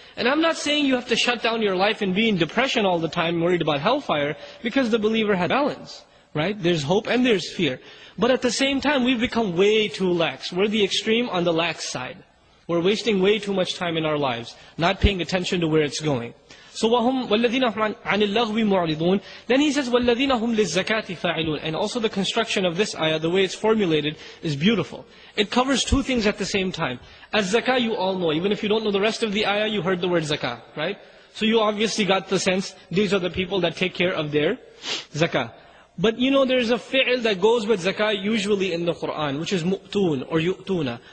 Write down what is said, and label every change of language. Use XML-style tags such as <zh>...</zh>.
<en>And I'm not saying you have to shut down your life and be in depression all the time, worried about hellfire, because the believer had balance. Right? There's hope and there's fear. But at the same time, we've become way too lax. We're the extreme on the lax side. We're wasting way too much time in our lives, not paying attention to where it's going. So</en> <ar>وَهُمْ وَالَّذِينَ هُمْ عَنِ اللَّغْوِ مُعْرِضُونَ.</ar> <en>Then he says,</en> <ar>وَالَّذِينَ هُمْ لِلزَّكَاةِ فَاعِلُونَ.</ar> <en>And also the construction of this ayah, the way it's formulated, is beautiful. It covers two things at the same time. As zakah, you all know. Even if you don't know the rest of the ayah, you heard the word zakah, right? So you obviously got the sense, these are the people that take care of their zakah. But you know, there's a fi'l that goes with zakah usually in the Qur'an, which is mu'toon or yu'toona.</en>